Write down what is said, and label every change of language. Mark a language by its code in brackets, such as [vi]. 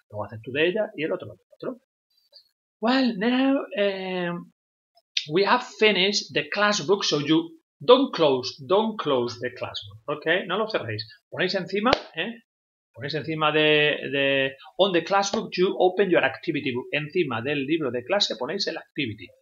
[es] Luego haces tú de ella y el otro del otro. [en] Well, now we have finished the class book, so you don't close the class book. Okay? [es] No lo cerréis. Ponéis encima, Ponéis encima de. [en] On the class book, you open your activity book. [es] Encima del libro de clase ponéis el activity.